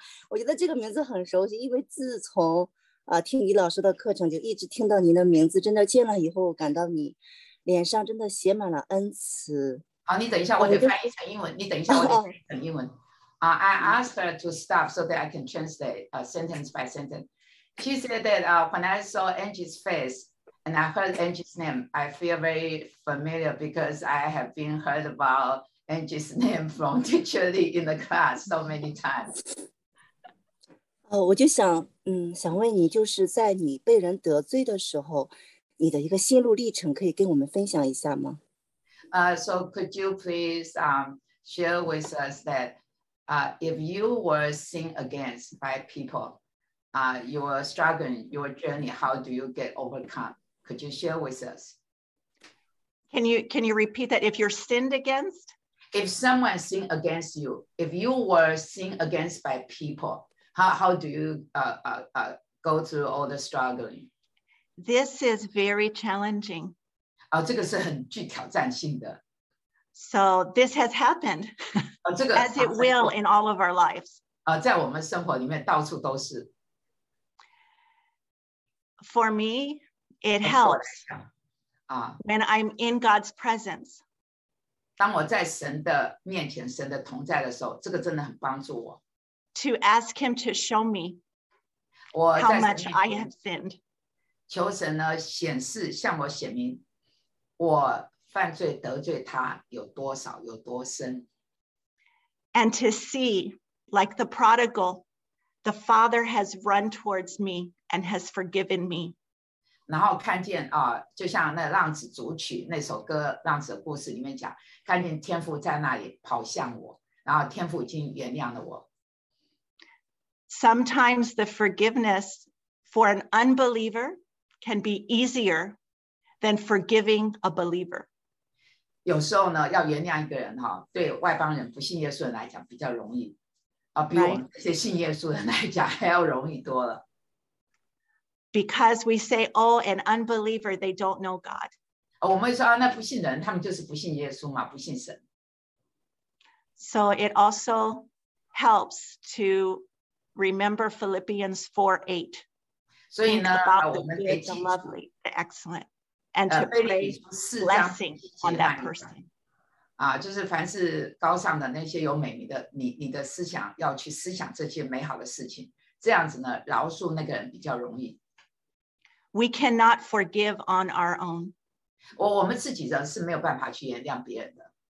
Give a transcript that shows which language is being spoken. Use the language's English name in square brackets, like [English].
[Chinese] 我觉得这个名字很熟悉，因为自从听李老师的课程就一直听到您的名字，真的见了以后，感到你脸上真的写满了恩慈。好，你等一下，我得翻译成英文。你等一下，我得翻译成英文。 [English] I asked her to stop so that I can translate sentence by sentence. She said that when I saw Angie's face and I heard Angie's name, I feel very familiar because I have been heard about Angie's name from teacher Lee in the class so many times. [Chinese] 我就想问你，就是在你被人得罪的时候，你的一个心路历程可以跟我们分享一下吗？ [English] So could you please share with us that if you were seen against by people, your struggle, your journey, how do you get overcome? Could you share with us? Can you repeat that? If you're sinned against? If someone sinned against you, if you were seen against by people,How do you go through all the struggling? This is very challenging. [Chinese] 这个是很具挑战性的。 [English] So this has happened, [Chinese] 这个, [English] as it will in all of our lives. [Chinese] 在我们生活里面到处都是。 [English] For me, it helps. When I'm in God's presence. [Chinese] 当我在神的面前，神的同在的时候，这个真的很帮助我。 [English] To ask him to show me how much I have sinned. [Chinese] 求神呢显示向我显明我犯罪得罪他有多少有多深。 [English] And to see, like the prodigal, the father has run towards me and has forgiven me. [Chinese] 然后看见就像那浪子主曲那首歌浪子的故事里面讲，看见天父在那里跑向我，然后天父已经原谅了我。 [English] Sometimes the forgiveness for an unbeliever can be easier than forgiving a believer. [Chinese] 有时候呢，要原谅一个人哈，对外邦人不信耶稣人来讲比较容易，比我们这些信耶稣人来讲还要容易多了。 [English] Because we say, "Oh, an unbeliever, they don't know God." [Chinese] 我们说那不信人，他们就是不信耶稣嘛，不信神。 [English] So it also helps to. Remember Philippians 4:8. So, you know, it's lovely, the excellent, and to pray blessing on that person. [Chinese] 就是凡是高尚的那些有美名的，你的思想要去思想这些美好的事情，这样子呢，饶恕那个人比较容易。 [English] We cannot forgive on our own. [Chinese] 我们自己人是没有办法去原谅别人的。